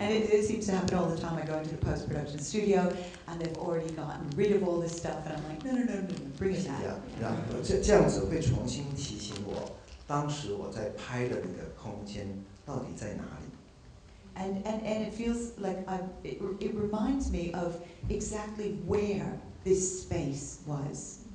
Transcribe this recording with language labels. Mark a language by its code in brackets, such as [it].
[en] And it seems to happen all the time. I go into the post-production studio, and they've already gotten rid of all this stuff, and I'm like, no, bring it back. [zh] Yeah, 这样子会重新提醒我当时我在拍的那个空间到底在哪里。 [en] And it feels like it reminds me of exactly where this space was.